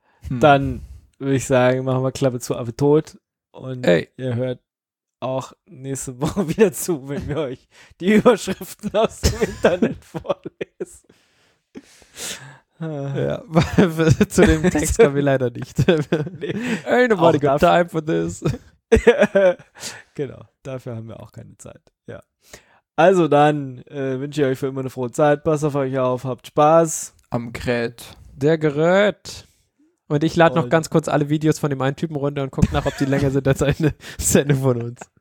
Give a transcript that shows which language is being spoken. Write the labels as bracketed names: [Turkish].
[German] Dann würde ich sagen, machen wir Klappe zu, Affe tot und ihr hört auch nächste Woche wieder zu, wenn wir euch die Überschriften aus dem Internet vorlesen. Ja, zu dem Text kommen wir leider nicht. Nee. [English] Ain't nobody got time for this. [German] Genau, dafür haben wir auch keine Zeit. Ja. Also dann wünsche ich euch für immer eine frohe Zeit. Passt auf euch auf, habt Spaß. Am Gerät. Der Gerät. Und ich lade noch ganz kurz alle Videos von dem einen Typen runter und gucke nach, ob die länger sind als eine Sendung von uns.